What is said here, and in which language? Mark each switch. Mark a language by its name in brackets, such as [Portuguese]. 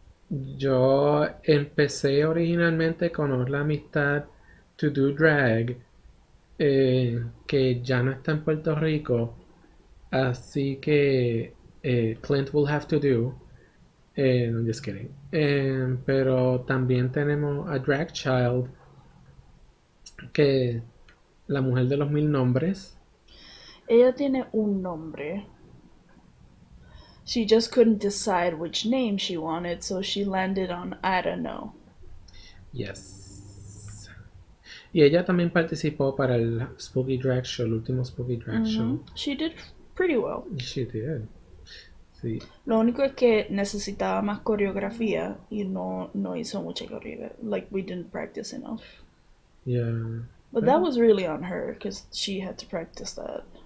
[Spanish] Yo empecé originalmente con la amistad To Do Drag, que ya no está en Puerto Rico, así que [English] Clint will have to do. No, I'm just kidding. [Spanish] Pero también tenemos a Drag Child, que la mujer de los mil nombres. Ella tiene un nombre. [English] She just couldn't decide which name she wanted, so she landed on I don't know. Yes. [Spanish] Y ella también participó para el Spooky Drag Show, el último Spooky Drag Show. [English] She did pretty well. She did. [Spanish] Sí. Lo único es que necesitaba más coreografía y no hizo mucha coreografía. [English] Like, we didn't practice enough. But that [Spanish] Pero [English] was really on her, because she had to practice that.